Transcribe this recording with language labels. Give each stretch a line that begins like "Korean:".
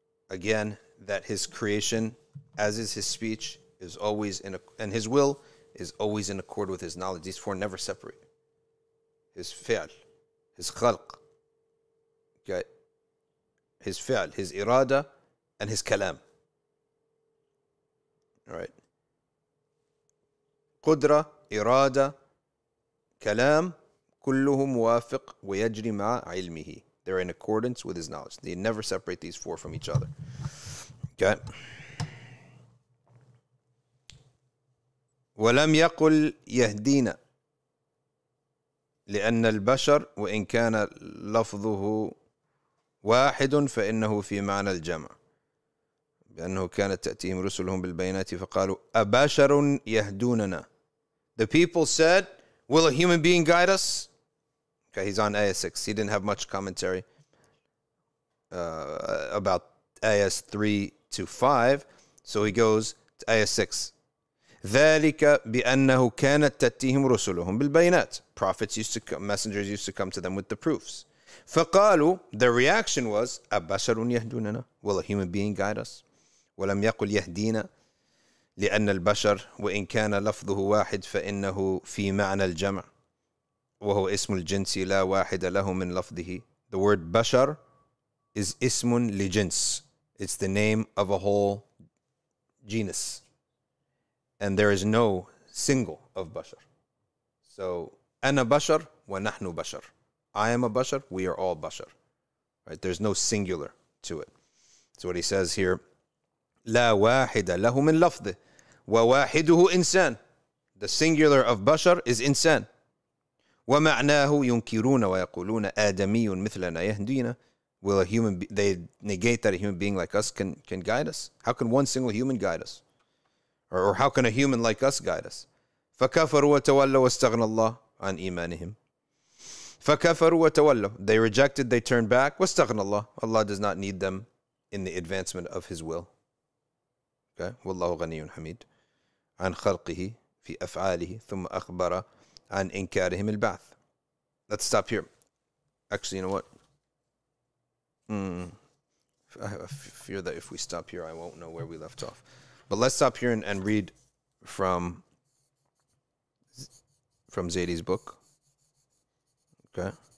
English: Again, that his creation, as is his speech, is always in a, and his will is always in accord with his knowledge. These four never separate. His fi'l, his khalq, okay? His fi'l, his irada, and his kalam. All right?
Arabic: قدرة إرادة كلام كلهم موافق ويجري مع علمه.
English: They're in accordance with his knowledge. They never separate these four from each other. Okay.
Arabic: ولم يقل يهدينا لأن البشر وإن كان لفظه واحد فإنه في معنى الجمع بأنه كانت تأتيهم رسلهم بالبينات فقالوا أبشر يهدوننا.
English: The people said, will a human being guide us? Okay, he's on Ayah 6. He didn't have much commentary about Ayahs 3 to 5. So he goes to Ayah 6.
Arabic: ذَلِكَ بِأَنَّهُ كَانَتْ تَتِّيهِمْ رُسُلُهُمْ بِالْبَيْنَاتِ.
English: Prophets used to come, messengers used to come to them with the proofs. فَقَالُوا, their reaction was,
Arabic: أَبَّشَرٌ يَهْدُونَنَا.
English: Will a human being guide us?
Arabic: وَلَمْ يَقُلْ يَهْدِينَا. لأن البشر وإن كان لفظه واحد فإنه في معنى الجمع وهو اسم الجنس لا واحد له من لفظه.
English: The word بشر is اسم لجنس. It's the name of a whole genus. And there is no single of بشر.
Arabic: So أنا بشر ونحن بشر.
English: I am a بشر, we are all بشر. Right? There's no singular to it. So what he says here,
Arabic: لا واحد له من لفظه وواحده إنسان.
English: The singular of بشر is إنسان.
Arabic: ومعناه ينكرون ويقولون آدمي مثلنا يهدينا.
English: Will a human be, they negate that a human being like us can guide us? How can one single human guide us? Or how can a human like us guide us?
Arabic: فكفروا وتولوا واستغنى الله عن إيمانهم. فكفروا وتولوا.
English: They rejected, they turned back.
Arabic: واستغنى الله.
English: Allah does not need them in the advancement of His will. Okay.
Arabic: والله غني حميد عن خلقه في أفعاله ثم أخبر عن إنكارهم البعث.
English: Let's stop here. Actually, you know what? I fear that if we stop here, I won't know where we left off. But let's stop here and read from Zaidi's book. Okay.